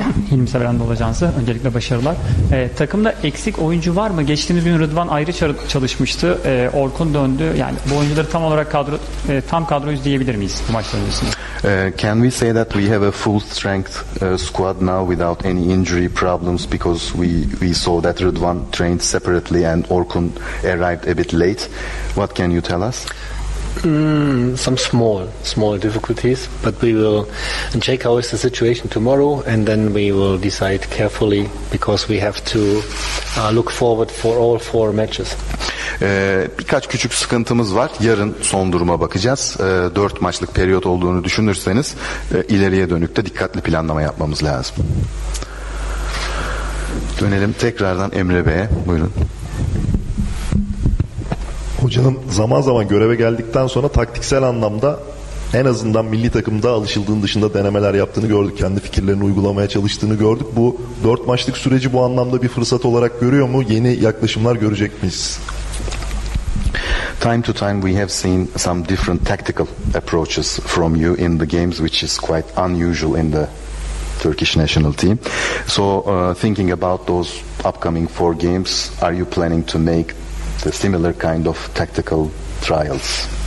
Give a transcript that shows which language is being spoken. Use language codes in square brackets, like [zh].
[tr] Hilmi Severen'de olacağınızı öncelikle başarılar. Takımda eksik oyuncu var mı? Geçtiğimiz gün Rıdvan ayrı çalışmıştı. Orkun döndü. Yani bu oyuncuları tam olarak kadro tam kadroyuz diyebilir miyiz bu maçtan öncesinde? [en] Can we say that we have a full strength squad now without any injury problems because we saw that Rıdvan trained separately and Orkun arrived a bit late. What can you tell us? Some small difficulties, but we will check how is the situation tomorrow, and then we will decide carefully because we have to look forward for all four matches. [tr] Birkaç küçük sıkıntımız var. Yarın son duruma bakacağız. 4 maçlık periyot olduğunu düşünürseniz ileriye dönük de dikkatli planlama yapmamız lazım. Dönelim tekrardan Emre Bey'e. Buyurun. Hocam zaman zaman göreve geldikten sonra taktiksel anlamda en azından milli takımda alışıldığın dışında denemeler yaptığını gördük. Kendi fikirlerini uygulamaya çalıştığını gördük. Bu 4 maçlık süreci bu anlamda bir fırsat olarak görüyor mu? Yeni yaklaşımlar görecek miyiz? [en] Time to time we have seen some different tactical approaches from you in the games, which is quite unusual in the Turkish national team. So thinking about those upcoming 4 games, are you planning to make the similar kind of tactical trials?